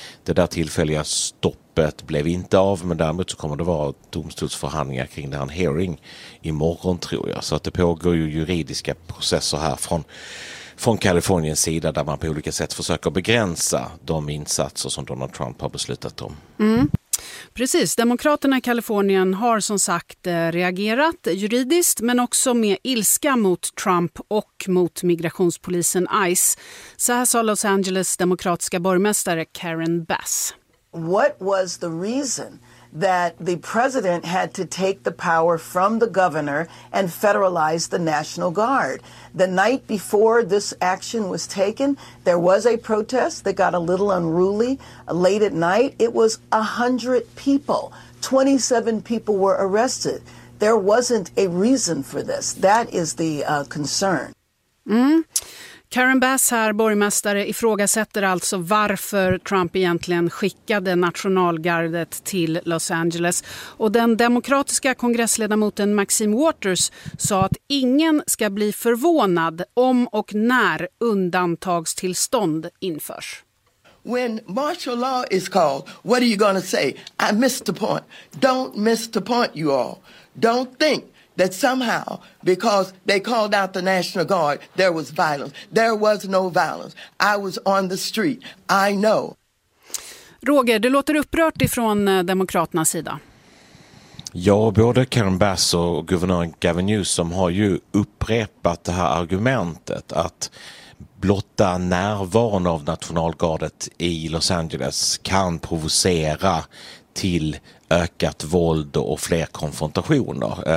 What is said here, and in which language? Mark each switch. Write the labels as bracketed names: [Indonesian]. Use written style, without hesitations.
[Swedish] Det där tillfälliga stoppet blev inte av, men däremot så kommer det vara domstolsförhandlingar kring den här hearing imorgon, tror jag. Så att det pågår ju juridiska processer här från Kaliforniens sida, där man på olika sätt försöker begränsa de insatser som Donald Trump har beslutat om. Mm. Precis, demokraterna i Kalifornien har som sagt reagerat juridiskt, men också med ilska mot Trump och mot migrationspolisen ICE. Så här sa Los Angeles demokratiska borgmästare Karen Bass. [English] What was the reason that the president had to take the power from the governor and federalize the National Guard? The night before this action was taken, there was a protest that got a little unruly late at night. It was 100 people. 27 people were arrested. There wasn't a reason for this. That is the concern. Mm. [Swedish] Karen Bass här, borgmästare, ifrågasätter alltså varför Trump egentligen skickade nationalgardet till Los Angeles. Och den demokratiska kongressledamoten Maxine Waters sa att ingen ska bli förvånad om och när undantagstillstånd införs. [English] When martial law is called, what are you gonna say? I missed the point. Don't miss the point, you all. Don't think that somehow, because they called out the National Guard, there was violence. There was no violence. I was on the street. I know. [Swedish] Roger, du låter upprört ifrån demokraternas sida. Ja, både Karen Bass och guvernör Gavin Newsom har ju upprepat det här argumentet att blotta närvaron av nationalgardet i Los Angeles kan provocera till ökat våld och fler konfrontationer.